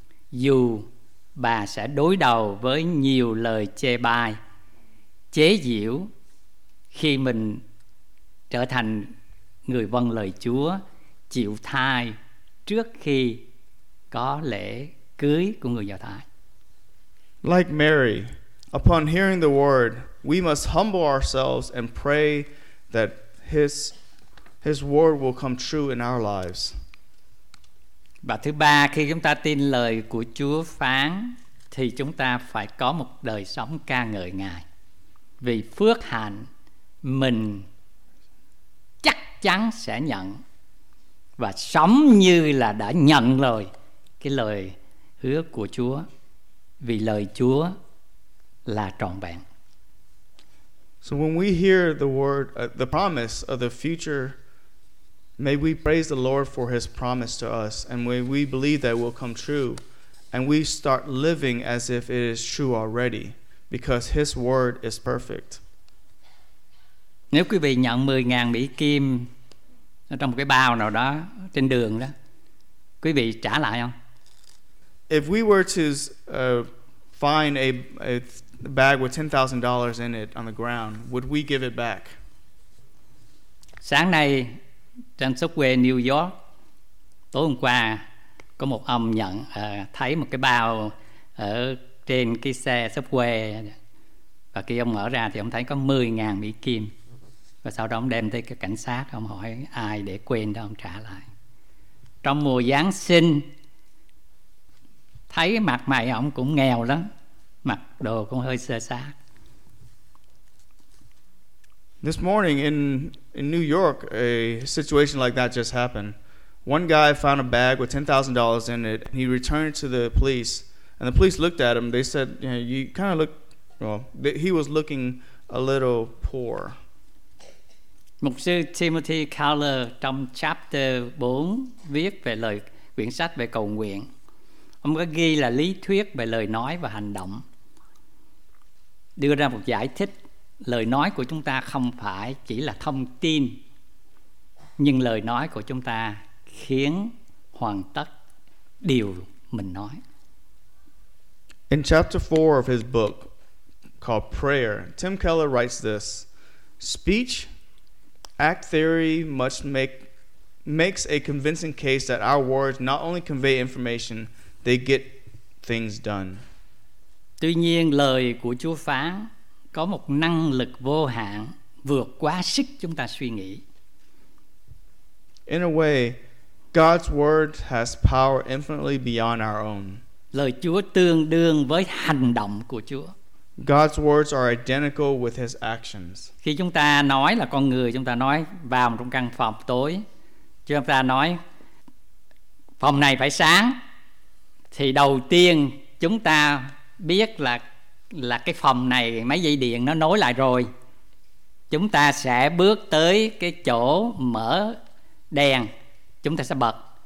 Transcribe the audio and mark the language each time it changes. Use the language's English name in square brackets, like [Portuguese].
[Vietnamese] Dù bà sẽ đối đầu với nhiều lời chê bai, chế giễu khi mình trở thành người vâng lời Chúa, chịu thai trước khi có lễ cưới của người Do Thái. [English] Like Mary, upon hearing the word, we must humble ourselves and pray that his word will come true in our lives. [Vietnamese] Và thứ ba, khi chúng ta tin lời của Chúa phán thì chúng ta phải có một đời sống ca ngợi Ngài. Vì phước hạnh mình chắc chắn sẽ nhận và sống như là đã nhận rồi. Cái lời hứa của Chúa, vì lời Chúa là trọn vẹn. [English] So when we hear the word, the promise of the future, may we praise the Lord for his promise to us, and may we believe that it will come true, and we start living as if it is true already, because his word is perfect. [Vietnamese] Nếu quý vị nhận 10.000 Mỹ Kim trong một cái bao nào đó, trên đường đó, quý vị trả lại không? [English] If we were to find a bag with $10,000 in it on the ground, would we give it back? [Vietnamese] Sáng nay trên subway New York, tối hôm qua có một ông nhận thấy một cái bao ở trên cái xe subway, và khi ông mở ra thì ông thấy có 10.000 Mỹ Kim, và sau đó ông đem tới cái cảnh sát, ông hỏi ai để quên đó, ông trả lại. Trong mùa Giáng sinh, thấy mặt mày ông cũng nghèo lắm, mặc đồ cũng hơi sơ sát. [English] This morning in New York, a situation like that just happened. One guy found a bag with $10,000 in it, and he returned to the police. And the police looked at him. They said, "You know, you kind of look well." He was looking a little poor. [Vietnamese] Mục sư Timothy Keller trong chapter 4 viết về lời quyển sách về cầu nguyện. Ông có ghi là lý thuyết về lời nói và hành động, đưa ra một giải thích lời nói của chúng ta không phải chỉ là thông tin, nhưng lời nói của chúng ta khiến hoàn tất điều mình nói. [English] In chapter 4 of his book called Prayer, Tim Keller writes this: speech, act theory must makes a convincing case that our words not only convey information, they get things done. [Vietnamese] Tuy nhiên, lời của Chúa phán có một năng lực vô hạn vượt quá sức chúng ta suy nghĩ. [English] In a way, God's word has power infinitely beyond our own. [Vietnamese] Lời Chúa tương đương với hành động của Chúa. [English] God's words are identical with his actions. [Vietnamese] Khi chúng ta nói là con người, chúng ta nói vào trong căn phòng tối, chúng ta nói phòng này phải sáng, thì đầu tiên chúng ta biết là cái phòng này máy dây điện nó nối lại rồi, chúng ta sẽ bước tới cái chỗ mở đèn, chúng ta sẽ bật.